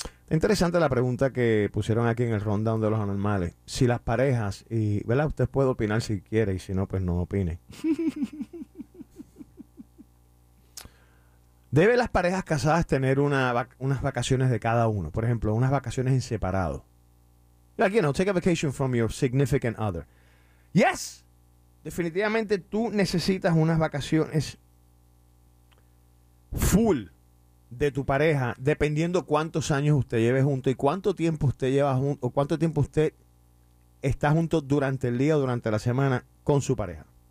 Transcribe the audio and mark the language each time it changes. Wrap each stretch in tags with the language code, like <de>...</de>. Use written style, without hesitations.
<es>Interesante la pregunta que pusieron aquí en el rundown de los anormales. Si las parejas, y ¿verdad? Usted puede opinar si quiere, y si no, pues no opine. ¿Deben las parejas casadas tener unas vacaciones de cada uno? Por ejemplo, unas vacaciones en separado.</es> <en>Like, you know, take a vacation from your significant other. Yes!</en> <es>Definitivamente tú necesitas unas vacaciones full de tu pareja, dependiendo cuántos años usted lleve junto y cuánto tiempo usted lleva junto o cuánto tiempo usted está junto durante el día o durante la semana con su pareja.</es>